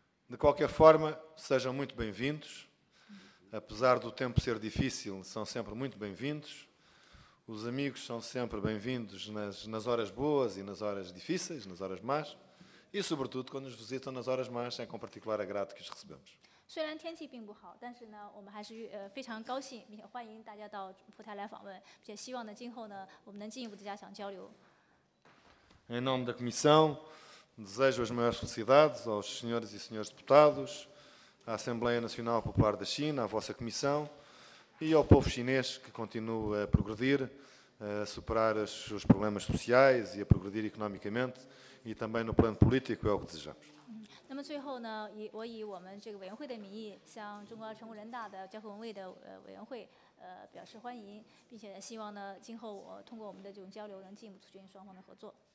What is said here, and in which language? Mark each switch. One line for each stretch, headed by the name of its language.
Portuguese: De qualquer forma, sejam muito bem-vindos. Apesar do tempo ser difícil, são sempre muito bem-vindos. Os amigos são sempre bem-vindos nas horas boas e nas horas difíceis, nas horas más. E, sobretudo, quando nos visitam nas horas más, é com particular agrado que os recebemos.
Chinese: 虽然天气并不好，但是呢，我们还是非常高兴，并且欢迎大家到葡萄牙来访问，并且希望呢，今后呢，我们能进一步的加强交流。
Portuguese: Em nome da Comissão, desejo as maiores felicidades aos senhores e senhores deputados, à Assembleia Nacional Popular da China, à vossa Comissão e ao povo chinês que continua a progredir, a superar os seus problemas sociais e a progredir economicamente e também no plano político é o que desejamos.
Chinese: 那么最后呢，我以我们这个委员会的名义，向中国全国人大的教科文卫的委员会表示欢迎，并且希望呢，今后我通过我们的这种交流，能进一步促进双方的合作。